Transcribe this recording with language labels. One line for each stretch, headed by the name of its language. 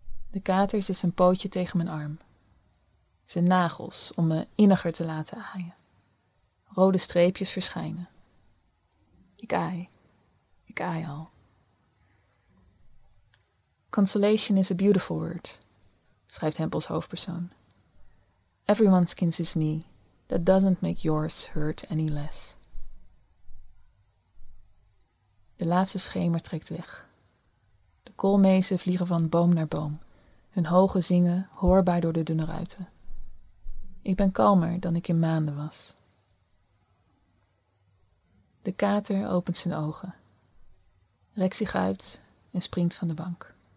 Dutch: De kater zet zijn pootje tegen mijn arm. Zijn nagels om me inniger te laten aaien. Rode streepjes verschijnen. Ik aai. Ik aai al.
English: Consolation is a beautiful word,
Dutch: schrijft Hempels hoofdpersoon.
English: Everyone skins his knee. That doesn't make yours hurt any less.
Dutch: De laatste schemer trekt weg. De koolmezen vliegen van boom naar boom. Hun hoge zingen hoorbaar door de dunne ruiten. Ik ben kalmer dan ik in maanden was. De kater opent zijn ogen, rekt zich uit en springt van de bank.